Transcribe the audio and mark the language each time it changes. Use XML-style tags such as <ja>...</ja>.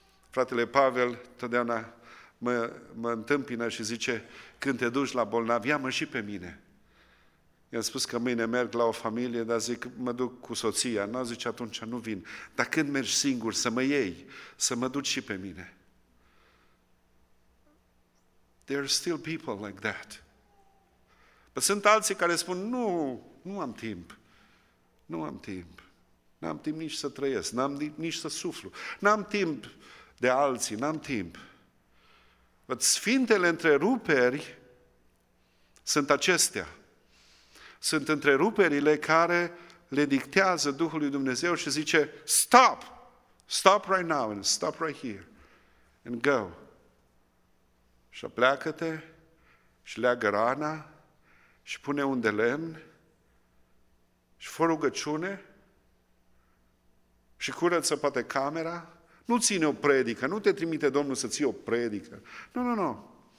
<ro>Fratele Pavel, totdeauna mă întâmpină și zice, când te duci la bolnav, ia-mă și pe mine. I-am spus că mâine merg la o familie, dar zic, mă duc cu soția. N-a zis, atunci nu vin. Dar când mergi singur, să mă iei, să mă duci și pe mine.</ro> <en>There are still people like that.</en> <ro>Dar sunt alții care spun, nu am timp. N-am timp nici să trăiesc, n-am nici să suflu. N-am timp de alții, n-am timp. Văd, sfintele întreruperi sunt acestea. Sunt întreruperile care le dictează Duhul lui Dumnezeu și zice, stop!</ro> <en>Stop right now and stop right here. And go.</en> <ro>Și apleacă-te și leagă rana și pune un de lemn și fă rugăciune și curăță poate camera. Nu ține o predică, nu te trimite Domnul să ții o predică. Nu.</ro>